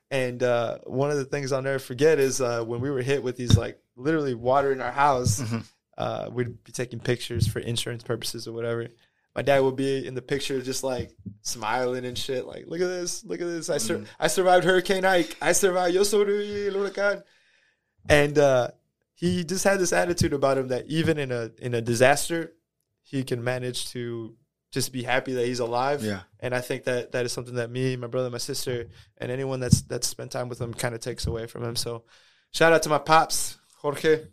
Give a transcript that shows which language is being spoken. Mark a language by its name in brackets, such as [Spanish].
[English] And one of the things I'll never forget is when we were hit with these, like, literally water in our house, mm-hmm. We'd be taking pictures for insurance purposes or whatever. My dad would be in the picture just, like, smiling and shit. Like, look at this. I survived Hurricane Ike. I survived. [Spanish] Yo soy el huracán. [English] And he just had this attitude about him that even in a disaster, he can manage to just be happy that he's alive. Yeah. And I think that is something that me, my brother, my sister, and anyone that's spent time with him kind of takes away from him. So shout out to my pops, Jorge.